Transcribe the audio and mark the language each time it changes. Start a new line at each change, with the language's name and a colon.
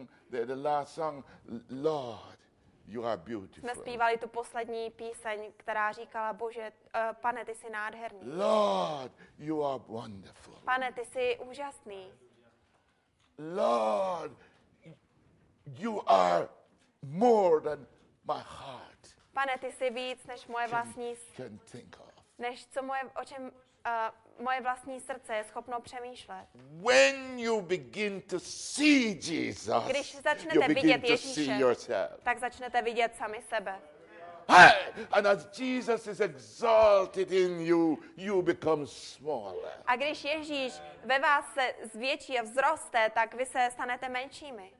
English: The last song, Lord, you are beautiful.
Czech: Jsme zpívali tu poslední píseň, která říkala, Bože, pane, ty jsi nádherný.
English: Lord, you are wonderful.
Czech: Pane, ty jsi úžasný.
English: Lord, you are more than my heart.
Czech: Pane, ty jsi víc než moje vlastní.
English: Can think of.
Czech: Než co moje, o čem moje vlastní srdce je schopno přemýšlet.
English: When you begin to see Jesus,
Czech: když začnete vidět Ježíše, tak začnete vidět sami sebe.
English: Hey! And as Jesus is exalted in you, you become smaller.
Czech: A když Ježíš ve vás se zvětší a vzroste, tak vy se stanete menšími.